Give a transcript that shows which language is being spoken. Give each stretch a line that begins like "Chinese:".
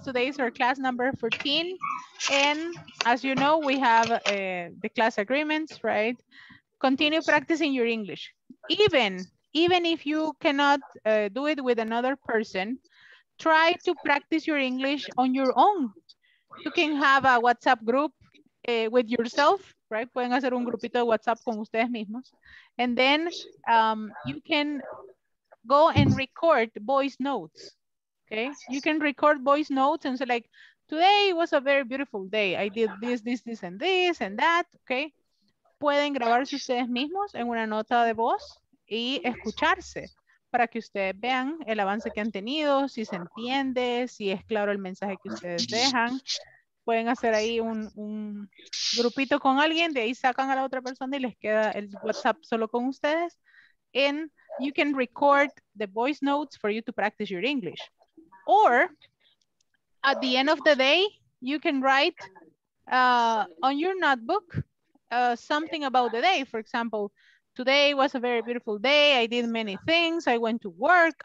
English: Today is our class number 14. And as you know, we have the class agreements, right? Continue practicing your English. Even if you cannot do it with another person, try to practice your English on your own. You can have a WhatsApp group with yourself, right?
Spanish: Pueden hacer un grupito de WhatsApp con ustedes mismos.
English: And then you can go and record voice notes, okay? You can record voice notes and say like, today was a very beautiful day. I did this, this, this, and this, and that, okay?
Spanish: Pueden grabarse ustedes mismos en una nota de voz y escucharse para que ustedes vean el avance que han tenido, si se entiende, si es claro el mensaje que ustedes dejan. Pueden hacer ahí un grupito con alguien, de ahí sacan a la otra persona y les queda el WhatsApp solo con ustedes.
English: And you can record the voice notes for you to practice your English. Or at the end of the day, you can write on your notebook something about the day. For example, today was a very beautiful day. I did many things. I went to work.